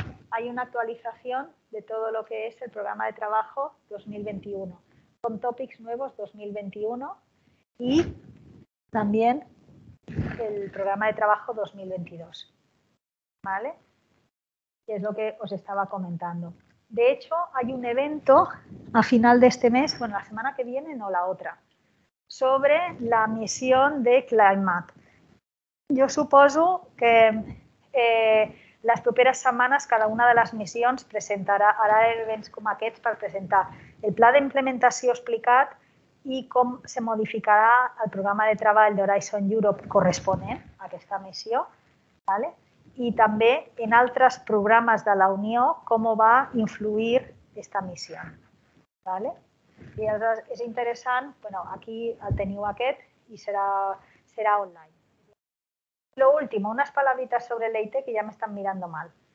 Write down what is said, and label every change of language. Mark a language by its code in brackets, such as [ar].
[es] Hay una actualización de todo lo que es el programa de trabajo 2021, con topics nuevos 2021 y también el programa de trabajo 2022, ¿vale? Que es lo que os estaba comentando. De hecho, hay un evento a final de este mes, bueno, la semana que viene, no la otra, sobre la misión de Climate. Yo supongo que... [ca] Las properes setmanes cada una de les missions presentarà, ara events com aquests per presentar el pla d'implementació explicat i com se modificarà el programa de treball d'Horizon Europe corresponent a aquesta missió, ¿vale? I també en altres programes de la Unió com va influir aquesta missió. ¿Vale? I aleshores és interessant, bueno, aquí el teniu aquest i serà online. [es] Lo último, unas palabritas sobre el EITE que ya me están mirando mal.